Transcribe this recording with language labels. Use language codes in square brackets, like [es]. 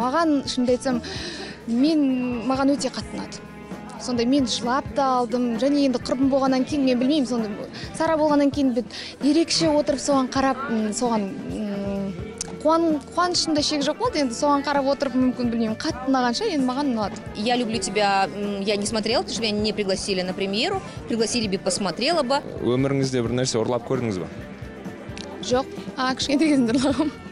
[kk] Маған, шынымды айтсам, маған өте қатынады. Сондай мен жылап та алдым, және енді құрбым болғаннан кейін, мен білмеймін, сондай Сара болғаннан кейін бір ерекше отырып соған қарап, соған қуанышында шек жоқ болды, енді соған қарап отырып мүмкін білмеймін, қатты ұнағанша енді маған ұнады. [ru] Я люблю тебя, я не смотрел, потому что меня не пригласили на премьеру, пригласили бы, посмотрела бы. [kk] Өміріңізде бір нәрсе ұрлап көрдіңіз ба? Жоқ, кішкентай кезінде ұрлағам.